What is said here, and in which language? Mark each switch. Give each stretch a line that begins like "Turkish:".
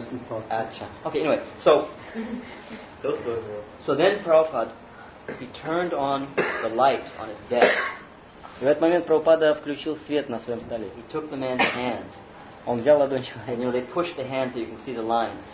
English: Okay, anyway, so then Prabhupada, he turned on the light on his desk.
Russian: И в этот момент Прабхупада включил свет на своем столе.
English: He took the man's hand.
Russian: Он взял ладонь человека.
English: And, you know, they pushed the hand so you can see the lines.